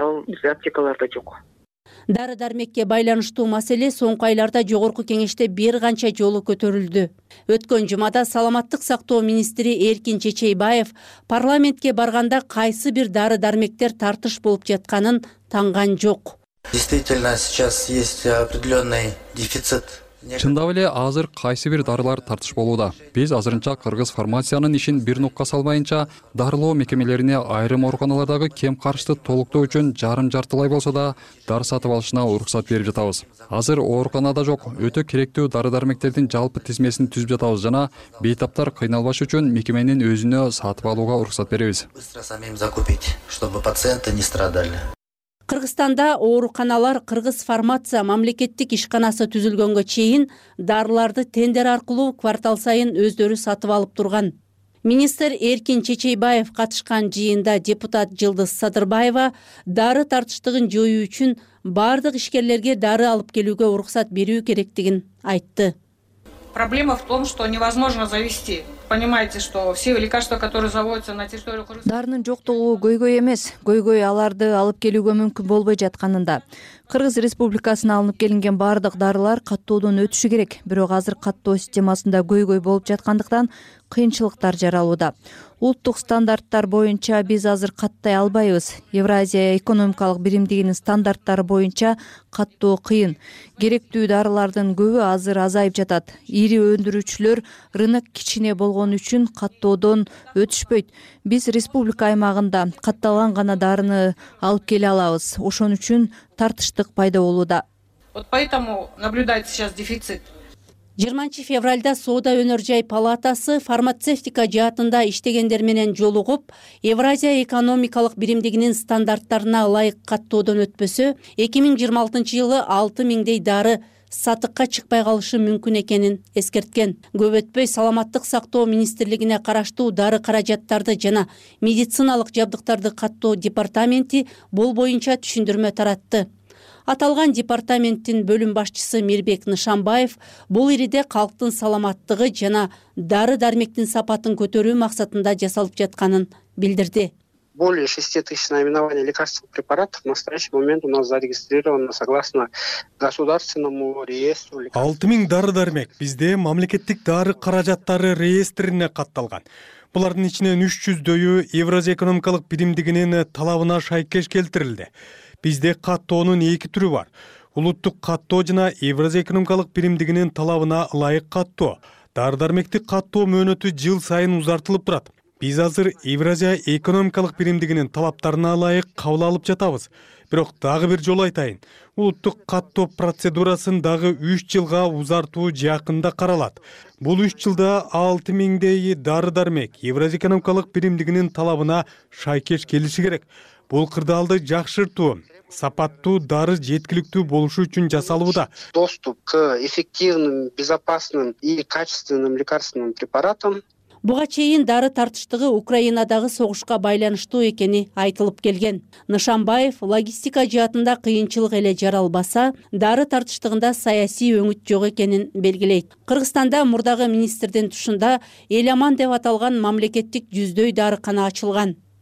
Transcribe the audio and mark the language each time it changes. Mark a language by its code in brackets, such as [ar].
[ky] Ал бизде аптекаларда жок. Дары дармекке байланыштуу маселе соңку айларда Жогорку Кеңеште бир канча жолу көтөрүлдү. Өткөн жумада саламаттык сактоо министри Эркин Чечейбаев парламентке барганда кайсы бир дары дармектер тартыш болуп жатканын танган жок. [ru] Действительно, сейчас есть определенный дефицит. [ky] Чындап эле азыр кайсы бир дарылар тартыш болууда. Биз азырынча кыргыз фармациянын ишин бир нукка салбайынча дарылоо мекемелерине айрым ооруканалардагы кем каршты толуктоо үчүн жарым жартылай болсо да дары сатып алышына уруксат берип жатабыз. Азыр ооруканада жок, өтө керектүү дары дармектердин жалпы тизмесин түзүп жатабыз жана бейтаптар кыйналбаш үчүн мекеменин өзүнө сатып алууга уруксат беребиз. [ru] Быстро самим закупить, чтобы пациенты не страдали. [ky] Кыргызстанда ооруканалар Кыргыз фармация мамлекеттик ишканасы түзүлгөнгө чейин дарыларды тендер аркылуу квартал сайын өздөрү сатып алып турган. Министр Эркин Чечейбаев катышкан жыйында депутат Жылдыз Садырбаева дары тартыштыгын жоюу үчүн бардык ишкерлерге дары алып келүүгө уруксат берүү керектигин айтты. [ru] Проблема в том, что невозможно завести. Понимаете, что все лекарства, которые заводятся на территорию Кыргызстана... [ky] Дарынын жоктугу көйгөй эмес, көйгөй аларды алып келүүгө мүмкүн болбой жатканында. Кыргыз Республикасына алынып келинген бардык дарылар каттоодон өтүшү керек. Бирок азыр каттоо системасында көйгөй болуп жаткандыктан кыйынчылыктар жаралууда. Улуттук стандарттар боюнча биз азыр каттай албайбыз. Евразия экономикалык биримдигинин стандарттары боюнча каттоо кыйын. Керектүү дарылардын көбү азыр азайып жатат. Ири өндүрүүчүлөр рынок кичине болгон үчүн каттоодон өтүшпөйт. Биз республика аймагында катталган гана дарыны алып келе алабыз. Ошон үчүн тартыштык пайда болууда. [ru] Вот поэтому наблюдается сейчас дефицит. [ky] 20 февральда соода өнөр жай палатасы фармацевтика жаатында иштегендер менен жолугуп, Евразия экономикалык биримдигинин стандарттарына ылайык каттоодон өтпөсө, 2026 жылы 6000 дары сатыкка чыкпай калышы мүмкүн экенин эскерткен. Көп өтпөй саламаттык сактоо министрлигине караштуу дары каражаттарды жана медициналык жабдыктарды каттоо департаменти бул боюнча түшүндүрмө таратты. Аталган департаменттин бөлүм башчысы Мирбек Нышанбаев бул ириде калктын саламаттыгы жана дары-дармектин сапатын көтөрүү максатында жасалып жатканын билдирди. [ru] Более 6000 наименований лекарственных препаратов в настоящий момент у нас зарегистрировано согласно государственному реестру лекарств. [ky] 6000 дары-дармек бизде мамлекеттик дары каражаттары реестрине катталган. Булардын ичинен 300 Евразия экономикалык биримдигинин талабына шайкеш келтирилди. Бизде каттоонун эки түрү бар. Улуттук каттоо жана Евразия экономикалык биримдигинин талабына ылайык каттоо. Дары-дармектик каттоо мөөнөтү жыл сайын узартылып турат. Биз азыр Евразия экономикалык биримдигинин талаптарына ылайык кабыл алып жатабыз. Бирок дагы бир жолу айтайын. Улуттук каттоо процедурасын дагы 3 жылга узартуу жакында каралат. Бул 3 жылда 6000 дары-дармек Евразия экономикалык биримдигинин талабына шайкеш келиши керек. Бул кырдаалды жакшыртуу, сапаттуу дары жеткиликтүү болушу үчүн жасалууда. [ru] Доступ к эффективным, безопасным и качественным лекарственным препаратам. [ky] Буга чейин дары тартыштыгы Украинадагы согушка байланыштуу экени айтылып келген. Нышанбаев логистика жаатында кыйынчылык эле жаралбаса, дары тартыштыгында саясий өңүт жок экенин белгилейт. Кыргызстанда мурдагы министрдин тушунда Эламан деп аталган мамлекеттик жүздөй дарыкана ачылган.